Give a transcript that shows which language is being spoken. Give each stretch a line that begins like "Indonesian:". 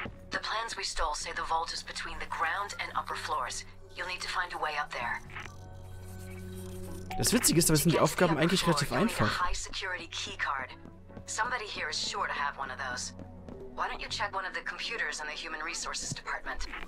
English: The plans we stole say the vault is between the ground and upper floors. You'll need to find a way up there.
German: Das Witzige ist, aber sind die Aufgaben eigentlich relativ einfach.
English: High security key card. Somebody here is sure to have one of those. Why don't you check one of the computers in the human resources department?